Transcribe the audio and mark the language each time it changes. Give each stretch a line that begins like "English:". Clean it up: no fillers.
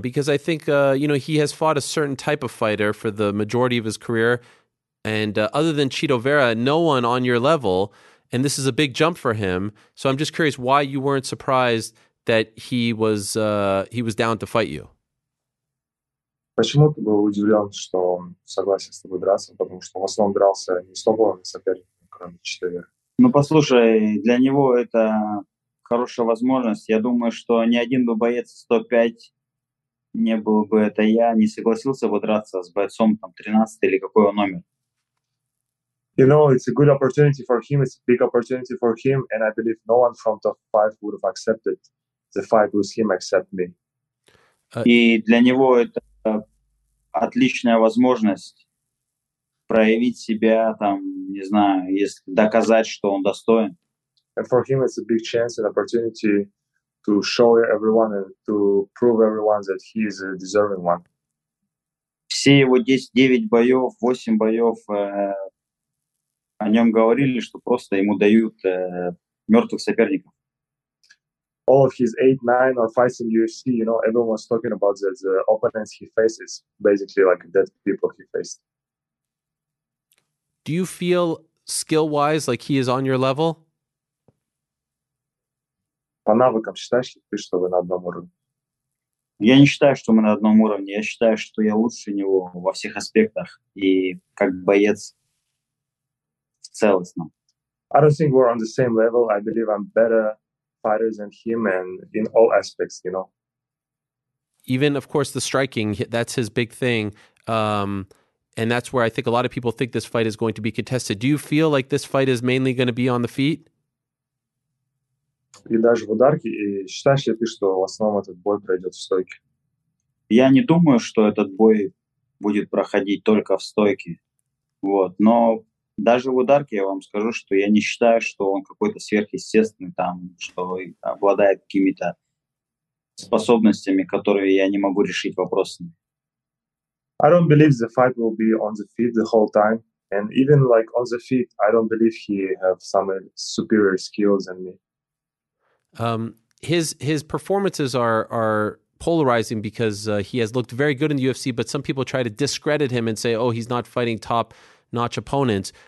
English: Because I think, he has fought a certain type of fighter for the majority of his career. And other than Chito Vera, no one on your level. And this is a big jump for him. So I'm just curious why you weren't surprised that he was down to fight you.
Russian: Почему ты был удивлен, что он согласен с тобой драться? Потому что в основном дрался не с топовыми соперниками, кроме Chito Vera. Ну, послушай, для него это... хорошая возможность. Я думаю, что ни один бы боец 105 не был бы это я, не согласился бы драться с бойцом там 13 или какой он номер.
English: You know, it's a good opportunity for him, it's a big opportunity for him, and I believe no one from top 5 would have accepted the fight with him except me.
Russian: И для него это отличная возможность проявить себя там, не знаю, если доказать, что он достоин.
English: And for him, it's a big chance and opportunity to show everyone and to prove everyone that he is a deserving one.
Russian: Все его 9 боев, 8 боев о нем говорили, что просто ему дают мертвых соперников.
English: All of his 8-9 are fights in UFC, you know, everyone's talking about that the opponents he faces, basically like dead people he faced. Do you feel skill-wise like he is on your level?
Russian: По навыкам считаешь ли ты, что вы на одном уровне? Я не считаю, что мы на одном уровне. Я считаю, что я лучше него во всех аспектах и как боец в целостном.
English: I don't think we're on the same level. I believe I'm better fighter than him and in all aspects, you know. Even, of course, the striking, that's his big thing. And that's where I think a lot of people think this fight is going to be contested. Do you feel like this fight is mainly going to be on the feet?
Russian: И даже в ударке, и считаешь ли ты, что в основном этот бой пройдет в стойке? Я не думаю, что этот бой будет проходить только в стойке. Вот. Но Даже в ударке я вам скажу, что я не считаю, что он какой-то сверхъестественный, там, что обладает какими-то способностями, которые я не могу решить вопросами.
English: I don't believe the fight will be on the feet the whole time. And even like on the feet, I don't believe he has some superior skills than me. His performances are polarizing because he has looked very good in the UFC, but some people try to discredit him and say, oh, he's not fighting top-notch opponents.